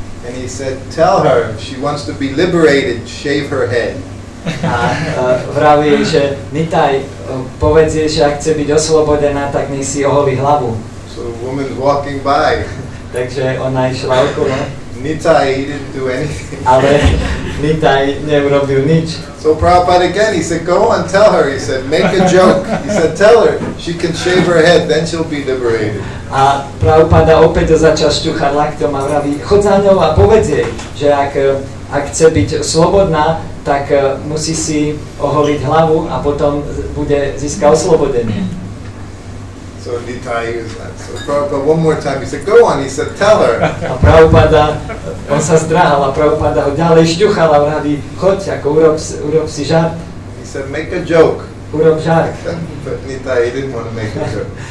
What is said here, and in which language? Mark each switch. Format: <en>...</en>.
<en>And he said, tell her, if she wants to be liberated, shave her head.</en> <sk>A vraví, že Nitaj, povedz jej, že ak chce byť oslobodená, tak nech si oholí hlavu.</sk> <en>So the woman's walking by.</en> <sk>Takže ona išla okolo.</sk> <en>Nitai, he didn't do anything.</en> <sk>Ale Nitai neurobil nič.</sk> <en>So Prabhupada again, he said, go on, tell her, he said, make a joke. He said, tell her, she can shave her head, then she'll be liberated.</en> <sk>A Prabhupada opäť začal šťuchať laktom a vraví, chod za ňou a povedz jej, že ak chce byť slobodná, tak musí si oholiť hlavu a potom bude získa oslobodenie.</sk> <en>So Nitai, so Prabhupada one more time, he said, go on, he said, tell her.</en> <sk>A Prabhupada, on sa zdráhal a Prabhupada ho ďalej šťuchal a vraví, choď, ako urob si žart.</sk> <en>He said, make a joke.</en> <sk>Urob žart.</sk> <en>But Nitai, he didn't want to make a joke.</en>